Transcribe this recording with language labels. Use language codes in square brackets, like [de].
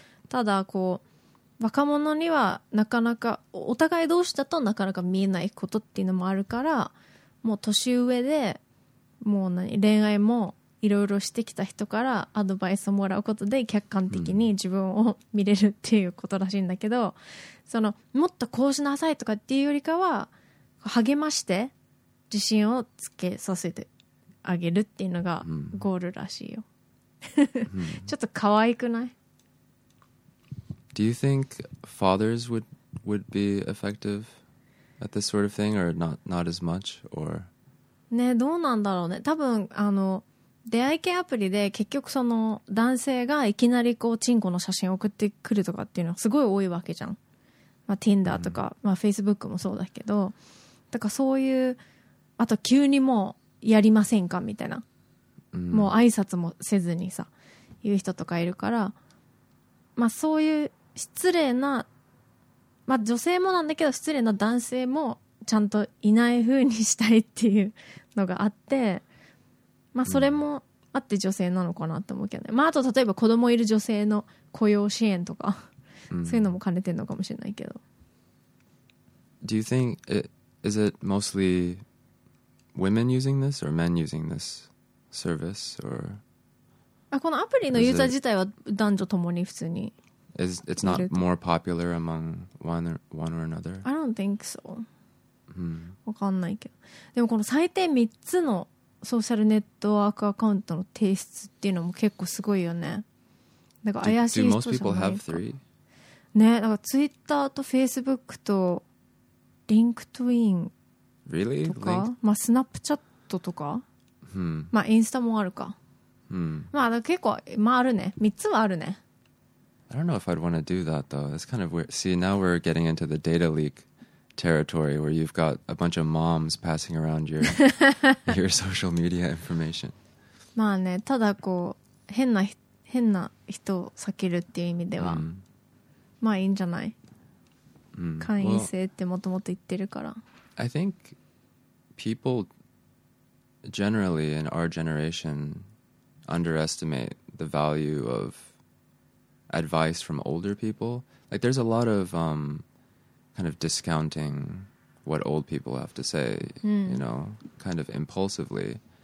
[ja] ただこう若者にはなかなかお互い同士だとなかなか見えないことっていうのもあるから、もう年上でもう何恋愛もいろいろしてきた人からアドバイスをもらうことで客観的に自分を見れるっていうことらしいんだけど、そのもっとこうしなさいとかっていうよりかは励まして自信をつけさせてあげるっていうのがゴールらしいよ。ちょっと可愛くない？ [en] Do you think fathers would be effective at this sort of thing or not as much or？ [ja] ね、どうなんだろうね。多分あの出会い系アプリで結局その男性がいきなりこうチンコの写真送ってくるとかっていうのはすごい多いわけじゃん。まあ Tinder とか、まあ Facebook もそうだけど、だからそういう、あと急にもうやりませんかみたいな、もう挨拶もせずにさ言う人とかいるから、まあそういう失礼な、まあ女性もなんだけど失礼な男性もちゃんといない風にしたいっていうのがあって、まあそれもあって女性なのかなと思うけどね。まああと例えば子供いる女性の雇用支援とか、そういうのも兼ねてるのかもしれないけど。 [en] Do you think is it mostly women using this or men using this service or? [ja] あ、このアプリのユーザー自体は男女ともに普通に。 [en] It's not more popular among one or another? I don't think so. [ja] わかんないけど。でもこの最低3つのソーシャルネットワークアカウントの提出っていうのも結構すごいよね。なんか怪しい人じゃないか。 [en] Do most people have 3? [ja] ね、なんか Twitter と Facebook とLinkedIn [en] really? [ja] とか、まあ、Snapchat とか、まあ、インスタもあるか、まあ、結構、まあ、あるね。3つはあるね。 [en] I don't know if I'd want to do that though. That's kind of weird. See, now we're getting into the data leak territory where you've got a bunch of moms passing around your, your social media information. [ja] まあね、ただこう変な人を避けるっていう意味では、まあいいんじゃない？会員制ってもともと言ってるから。 [en] I think people generally in our generation underestimate the value of advice from older people. Like there's a lot of kind of discounting what old people have to say, you know, kind of impulsively.